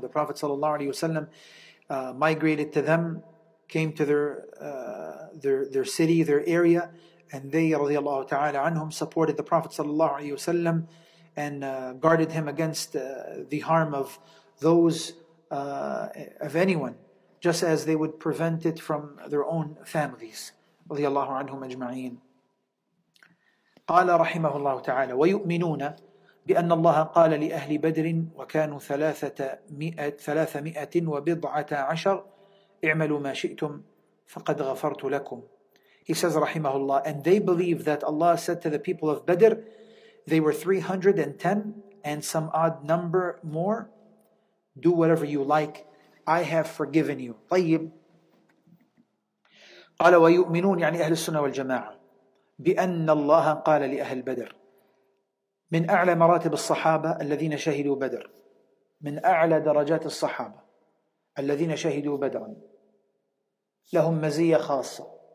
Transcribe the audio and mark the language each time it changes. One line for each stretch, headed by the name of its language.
English: The Prophet
Arabic: sallallahu alayhi wa sallam
English: migrated to them, came to their city, their area, and they
Arabic: radiallahu ta'ala anhum
English: supported the Prophet sallallahu alayhi wa sallam and guarded him against the harm of those, of anyone, just as they would prevent it from their own families
Arabic: radiallahu anhum ajma'in. قال رحمه الله تعالى ويؤمنون بأن الله قال لأهل بدر وكانوا 300 and 10 اعملوا ما شئتم فقد غفرت لكم.
English: He says
Arabic: رحمه الله,
English: and they believe that Allah said to the people of Badr, they were 310 and some odd number more, do whatever you like, I have forgiven you.
Arabic: طيب. قال ويؤمنون يعني أهل السنة والجماعة بأن الله قال لأهل بدر. من أعلى مراتب الصحابة الذين شهدوا بدر, من أعلى درجات الصحابة الذين شهدوا بدرا, لهم مزية خاصة.